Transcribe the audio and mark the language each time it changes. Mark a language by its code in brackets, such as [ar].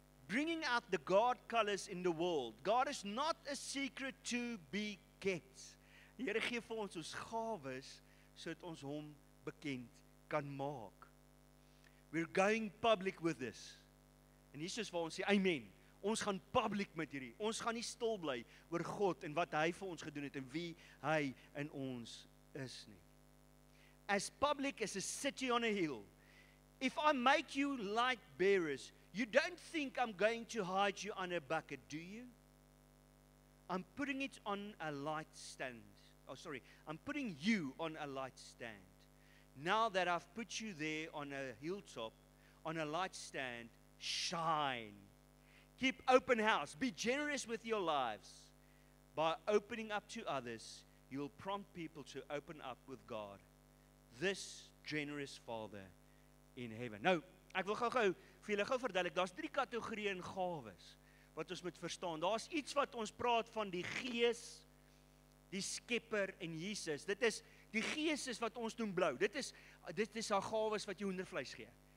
[en] Bringing out the God colors in the world. God is not a secret to be kept. [af] Die Here gee vir ons ons gawes, sodat ons hom bekend kan maak. [en] We're going public with this. [af] En hier is waar ons sê, amen. Ons gaan publiek met hierdie, ons gaan nie stil bly oor God en wat hy vir ons gedoen het en wie hy in ons is nie. [en] As public as a city on a hill, if I make you light bearers, you don't think I'm going to hide you under a bucket, do you? I'm putting it on a light stand. Oh, sorry, I'm putting you on a light stand. Now that I've put you there on a hilltop, on a light stand, shine. Keep open house. Be generous with your lives. By opening up to others, you'll prompt people to open up with God, this generous Father in heaven. [af] Nou, ek wil gou vir julle gou verduidelik, daar is drie kategorieë in gawes, wat ons moet verstaan. Daar is iets wat ons praat van die Gees, die Skepper en Jesus. Dit is, die Gees is wat ons doen blou. Dit is haar gawes wat jy hoendervleis gee.